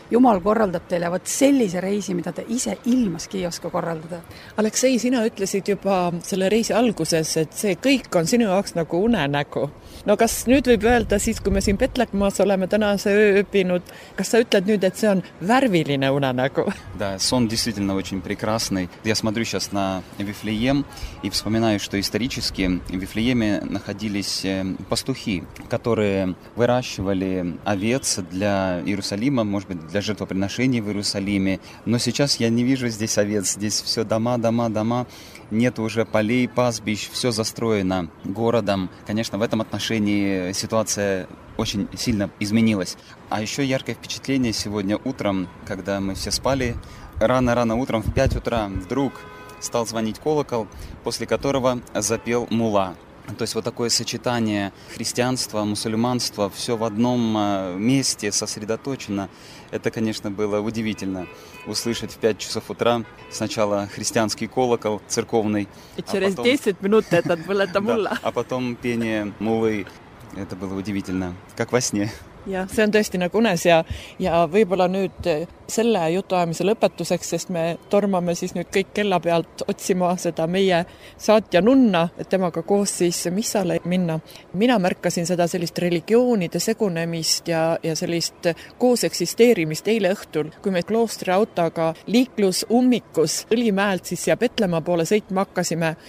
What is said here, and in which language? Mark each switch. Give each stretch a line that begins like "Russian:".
Estonian: Jumal korraldab teile võt sellise reisi, mida te ise ilmaski ei oska korraldada. Aleksei, sina ütlesid juba selle reisi alguses, et see kõik on sinu jaoks nagu unenägu. No kas nüüd võib öelda siis, kui me siin Betlehemas oleme tänase öö õpinud, kas sa ütled nüüd, et see on värviline unenägu?
Russian: Да, сон действительно очень прекрасный. Я смотрю сейчас на Вифлеем и вспоминаю, что исторически в Вифлееме находились пастухи, которые выращивали овец для Иерусалима, может быть, для жертвоприношений в Иерусалиме. Но сейчас я не вижу здесь овец, здесь все дома, дома, дома. Нет уже полей, пастбищ, все застроено городом. Конечно, в этом отношении ситуация очень сильно изменилась. А еще яркое впечатление сегодня утром, когда мы все спали, рано-рано утром в 5 утра вдруг стал звонить колокол, после которого запел мула. То есть вот такое сочетание христианства, мусульманства, все в одном месте сосредоточено. Это, конечно, было удивительно услышать в 5 часов утра сначала христианский колокол церковный. И через 10 минут этот был это мулла. А потом пение муллы. Это было удивительно, как во сне.
Estonian: Ja see on tõesti nagu unes ja võib-olla nüüd selle jutuajamise lõpetuseks, sest me tormame siis nüüd kõik kella pealt otsima seda meie saatja nunna, et temaga koos siis missale minna. Mina märkasin seda sellist religioonide segunemist ja sellist koos eksisteerimist eile õhtul, kui me kloostri autoga liiklus ummikus Õlimäelt siis ja Betlema poole sõitma hakkasime.